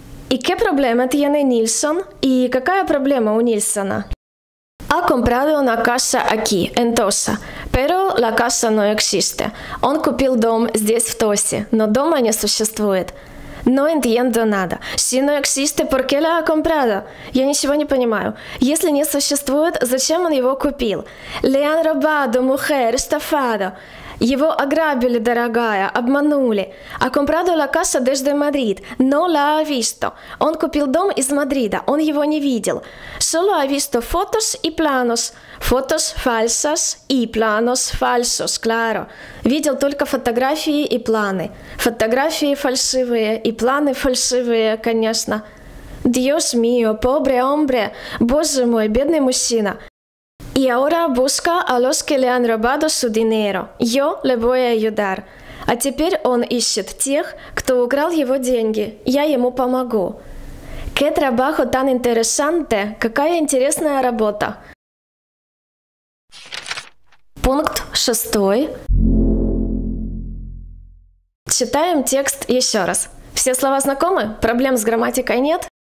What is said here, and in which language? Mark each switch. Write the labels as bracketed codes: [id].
[es] ¿Y qué problema tiene Nilsson? [ru] И какая проблема у Нильсона? [es] Ha comprado una casa aquí, en Tosa. Pero la casa no existe. [ru] Он купил дом здесь, в Тосе. Но дома не существует. [es] No entiendo nada. Si no existe, ¿por qué la ha comprado? [ru] Я ничего не понимаю. Если не существует, зачем он его купил? [es] Le han robado, mujer, estafado. [ru] Его ограбили, дорогая, обманули. [es] Ha comprado la casa desde Madrid. No la ha visto. [ru] Он купил дом из Мадрида. Он его не видел. [es] Solo ha visto fotos y planos. Fotos falsas y planos falsos, claro. [ru] Видел только фотографии и планы. Фотографии фальшивые и планы фальшивые, конечно. [es] Dios mío, pobre hombre. [ru] Боже мой, бедный мужчина. [es] Y ahora busca a los que le han robado su dinero. Yo le voy a ayudar. [ru] А теперь он ищет тех, кто украл его деньги. Я ему помогу. [es] Qué trabajo tan interesante. [ru] Какая интересная работа. Пункт шестой. Читаем текст еще раз. Все слова знакомы? Проблем с грамматикой нет?